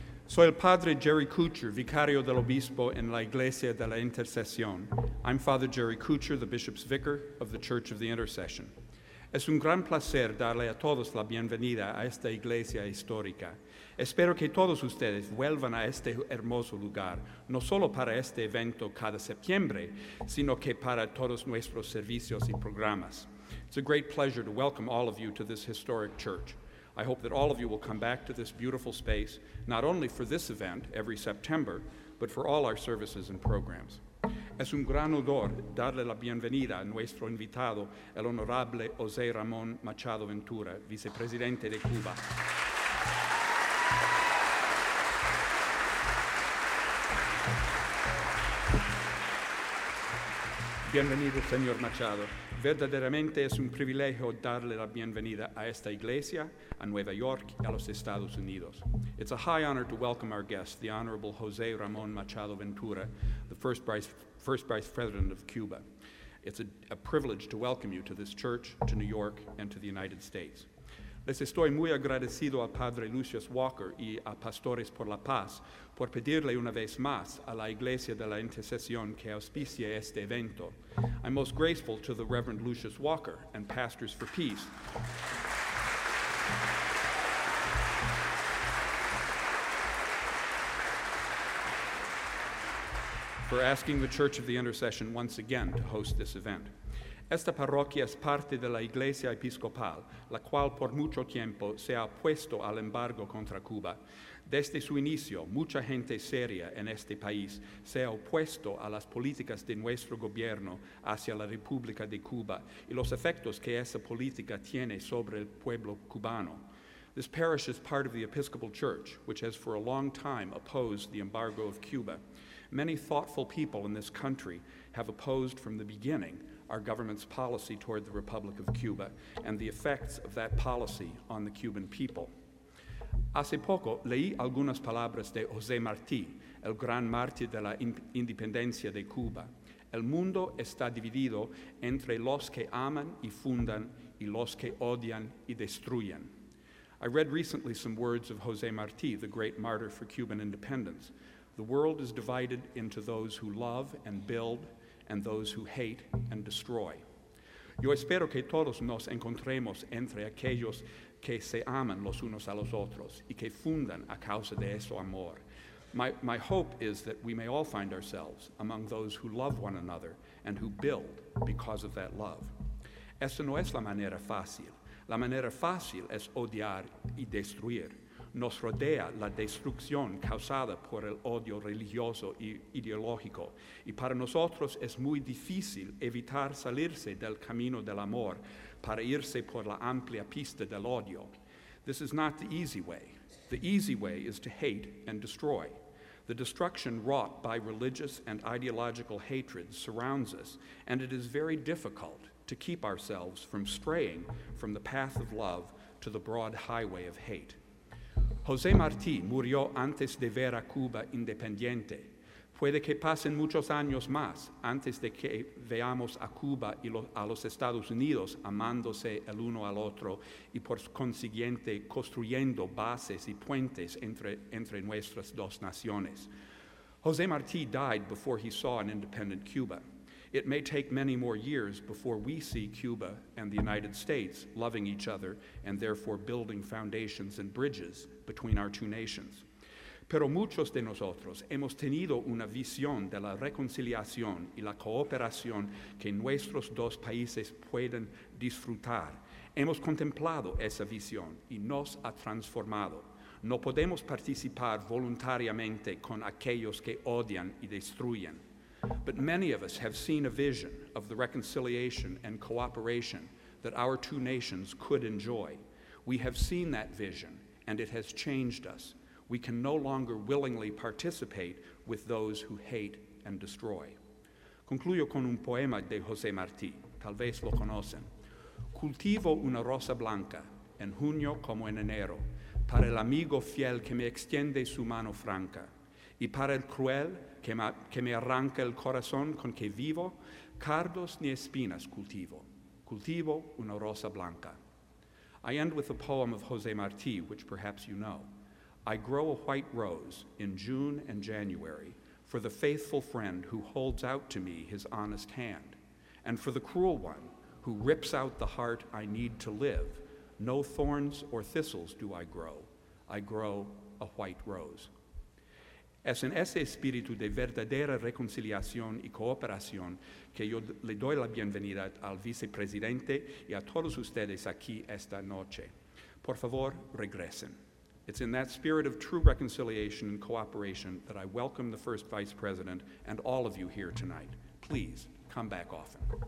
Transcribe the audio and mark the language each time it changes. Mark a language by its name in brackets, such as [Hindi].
[Spanish] Soy el Padre Jerry Kutcher, Vicario del Obispo en la Iglesia de la Intercesión. [English] I'm Father Jerry Kutcher, the Bishop's Vicar of the Church of the Intercession. [Spanish] Es un gran placer darle a todos la bienvenida a esta iglesia histórica. Espero que todos ustedes vuelvan a este hermoso lugar, no solo para este evento cada septiembre, sino que para todos nuestros servicios y programas. [English] It's a great pleasure to welcome all of you to this historic church. I hope that all of you will come back to this beautiful space, not only for this event every September, but for all our services and programs. [Spanish] Es un gran honor darle la bienvenida a nuestro invitado, el Honorable José Ramón Machado Ventura, Vicepresidente de Cuba. Bienvenido, señor Machado. Verdaderamente es un privilegio darle la bienvenida a esta iglesia, a Nueva York y a los Estados Unidos. [English] It's a high honor to welcome our guest, the Honorable José Ramón Machado Ventura, the first Vice President of Cuba. It's a privilege to welcome you to this church, to New York, and to the United States. [Spanish] Les estoy muy agradecido al Padre Lucius Walker y a Pastores por la Paz por pedirle una vez más a la Iglesia de la Intercesión que auspicie este evento. [English] I'm most grateful to the Reverend Lucius Walker and Pastors for Peace for asking the Church of the Intercession once again to host this event. [Spanish] Esta parroquia es parte de la Iglesia Episcopal, la cual por mucho tiempo se ha opuesto al embargo contra Cuba. Desde su inicio, mucha gente seria en este país se ha opuesto a las políticas de nuestro gobierno hacia la República de Cuba y los efectos que esa política tiene sobre el pueblo cubano. [English] This parish is part of the Episcopal Church, which has for a long time opposed the embargo of Cuba. Many thoughtful people in this country have opposed from the beginning our government's policy toward the Republic of Cuba and the effects of that policy on the Cuban people. [Spanish] Hace poco leí algunas palabras de José Martí, el gran mártir de la independencia de Cuba. El mundo está dividido entre los que aman y fundan y los que odian y destruyen. [English] I read recently some words of José Martí, the great martyr for Cuban independence. The world is divided into those who love and build and those who hate and destroy. [Spanish] Yo espero que todos nos encontremos entre aquellos que se aman los unos a los otros y que fundan a causa de ese amor. [English] My hope is that we may all find ourselves among those who love one another and who build because of that love. [Spanish] Esa no es la manera fácil. La manera fácil es odiar y destruir. Nos rodea la destrucción causada por el odio religioso y ideológico, y para nosotros es muy difícil evitar salirse del camino del amor para irse por la amplia pista del odio. [English] This is not the easy way. The easy way is to hate and destroy. The destruction wrought by religious and ideological hatred surrounds us, and it is very difficult to keep ourselves from straying from the path of love to the broad highway of hate. [Spanish] José Martí murió antes de ver a Cuba independiente. Puede que pasen muchos años más antes de que veamos a Cuba y a los Estados Unidos amándose el uno al otro y por consiguiente construyendo bases y puentes entre nuestras dos naciones. [English] José Martí died before he saw an independent Cuba. It may take many more years before we see Cuba and the United States loving each other and therefore building foundations and bridges between our two nations. [Spanish] Pero muchos de nosotros hemos tenido una visión de la reconciliación y la cooperación que nuestros dos países pueden disfrutar. Hemos contemplado esa visión y nos ha transformado. No podemos participar voluntariamente con aquellos que odian y destruyen. [English] But many of us have seen a vision of the reconciliation and cooperation that our two nations could enjoy. We have seen that vision, and it has changed us. We can no longer willingly participate with those who hate and destroy. [Spanish] Concluyo con un poema de José Martí. Tal vez lo conocen. Cultivo una rosa blanca, en junio como en enero, para el amigo fiel que me extiende su mano franca, y para el cruel que me arranca el corazón con que vivo, cardos ni espinas cultivo. Cultivo una rosa blanca. [English] I end with a poem of Jose Marti, which perhaps you know. I grow a white rose in June and January for the faithful friend who holds out to me his honest hand, and for the cruel one who rips out the heart I need to live. No thorns or thistles do I grow. I grow a white rose. [Spanish] Es en ese espíritu de verdadera reconciliación y cooperación que yo le doy la bienvenida al vicepresidente y a todos ustedes aquí esta noche. Por favor, regresen. [English] It's in that spirit of true reconciliation and cooperation that I welcome the first vice president and all of you here tonight. Please, come back often.